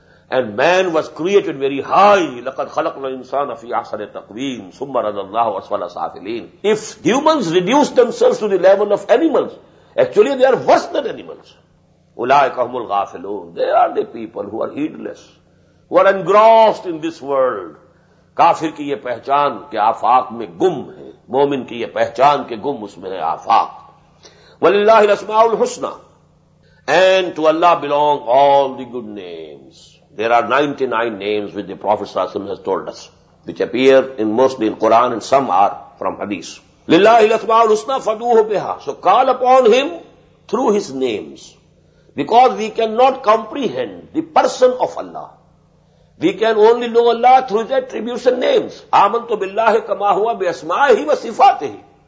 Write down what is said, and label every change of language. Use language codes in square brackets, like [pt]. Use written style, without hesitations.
[en] And man was created very high. [ar] لَقَدْ خَلَقْنَا الْإِنسَانَ فِي أَحْسَنِ تَقْوِيمٍ ثُمَّ رَدَدْنَاهُ أَسْفَلَ سَافِلِينَ. [en] If humans reduce themselves to the level of animals, actually they are worse than animals. [ar] أُولَٰئِكَ هُمُ الْغَافِلُونَ. [en] They are the people who are heedless, who are engrossed in this world. [ur] کافر کی یہ پہچان کہ آفاق میں گم ہے, مومن کی یہ پہچان کہ گم اس میں ہے آفاق. [ar] وَلِلَّهِ الْأَسْمَاءُ الْحُسْنَى. [en] And to Allah belong all the good names. There are 99 names which the Prophet صلی اللہ علیہ وسلم has told us, which appear in mostly in Quran and some are from Hadith. [ar] لِلَّهِ الْأَسْمَاءُ الْحُسْنَى فَدُوهُ بِهَا. [en] So call upon him through his names. Because we cannot comprehend the person of Allah. We can only know Allah through his attributes and names. [ar] آمنتو باللہ کما ہوا بِأَسْمَائِهِ وَصِفَاتِهِ.